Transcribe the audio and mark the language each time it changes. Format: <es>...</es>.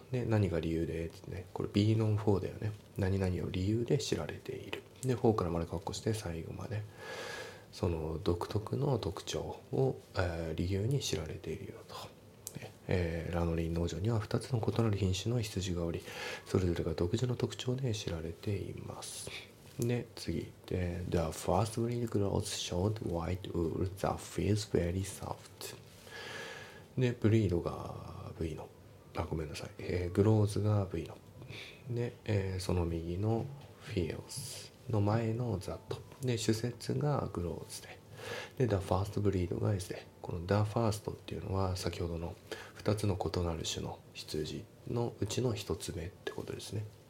<ja>で何が理由でって、ね、これ B ノン4だよね、何々を理由で知られている。で4から丸括弧して最後までその独特の特徴を、理由に知られているよと。ラノリン農場には2つの異なる品種の羊がおり、それぞれが独自の特徴で知られています。で次で</ja> <en>The first breed grows short white wool that feels very soft。</en> <ja>でブリードが V の、あごめんなさい、グローズが V ので、その右の feels の前の that で、主節がグローズで、で</ja> <en>The first breed</en> <ja>が S で、この The first っていうのは先ほどの2つの異なる種の羊のうちの1つ目ってことですね。</ja>